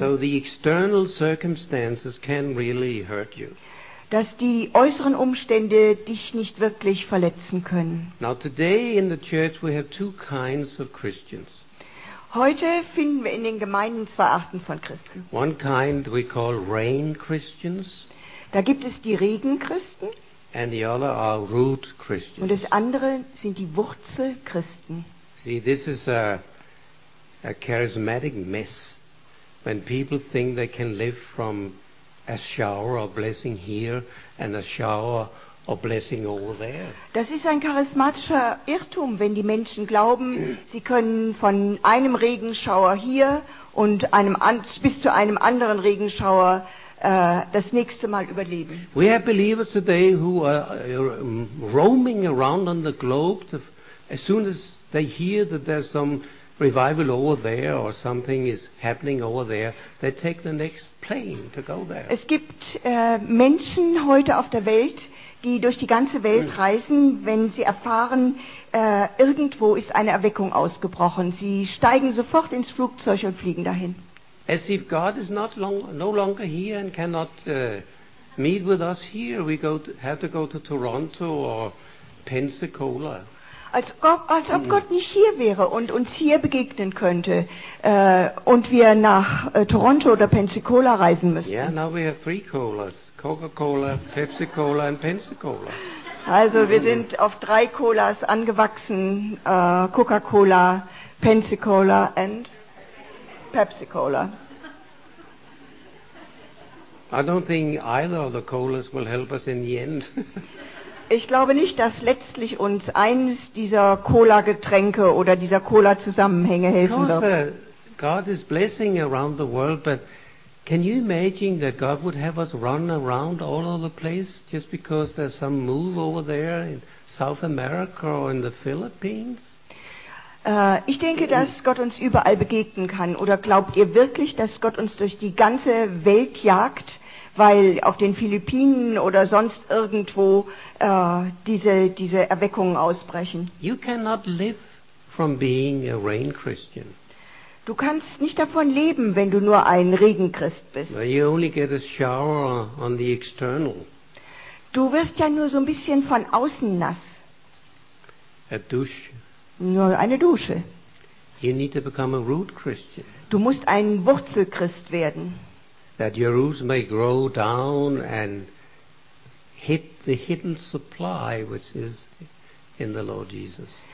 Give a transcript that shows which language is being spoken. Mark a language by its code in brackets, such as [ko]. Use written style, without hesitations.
[en] So the external circumstances can really hurt you. [de] Dass die äußeren Umstände dich nicht wirklich verletzen können. [en] Now today in the church we have two kinds of Christians. [de] Heute finden wir in den Gemeinden zwei Arten von Christen. [en] One kind we call rain Christians. [de] Da gibt es die Regenchristen. [en] And the other are root Christians. [de] Und das andere sind die Wurzelchristen. [en] See, this is a charismatic mess when people think they can live from a shower of blessing here and a shower a blessing over there. [de] Das ist ein charismatischer Irrtum, wenn die Menschen glauben, sie können von einem Regenschauer hier und einem bis zu einem anderen Regenschauer das nächste Mal überleben. [en] We have believers today who are roaming around on the globe to, as soon as they hear that there's some revival over there or something is happening over there, they take the next plane to go there. [de] Es gibt Menschen heute auf der Welt, die durch die ganze Welt reisen, wenn sie erfahren, irgendwo ist eine Erweckung ausgebrochen. Sie steigen sofort ins Flugzeug und fliegen dahin. [en] As if God is not long, no longer here and cannot meet with us here, we go to, have to go to Toronto or Pensacola. [de] Als ob Gott nicht hier wäre und uns hier begegnen könnte und wir nach Toronto oder Pensacola reisen müssten. [en] Yeah, now we have three colas: Coca-Cola, Pepsi-Cola and Pensacola. [de] Also wir sind auf drei Colas angewachsen: Coca-Cola, Pensacola and Pepsi-Cola. [en] I don't think either of the colas will help us in the end. [de] Ich glaube nicht, dass letztlich uns eines dieser Cola-Getränke oder dieser Cola-Zusammenhänge helfen wird. [en] God is blessing around the world, but can you imagine that God would have us run around all over the place just because there's some move over there in South America or in the Philippines? [de] Ich denke, dass Gott uns überall begegnen kann. Oder glaubt ihr wirklich, dass Gott uns durch die ganze Welt jagt, weil auf den Philippinen oder sonst irgendwo diese Erweckungen ausbrechen? [en] You cannot live from being a rain Christian. [de] Du kannst nicht davon leben, wenn du nur ein Regenchrist bist. [en] Well, you only get a shower on the external. [de] Du wirst ja nur so ein bisschen von außen nass. [en] A douche. [de] Nur eine Dusche. [en] You need to become a root Christian. [de] Du musst ein Wurzelchrist werden. [en] That your roots may grow down and hit the hidden supply which is in the Lord Jesus.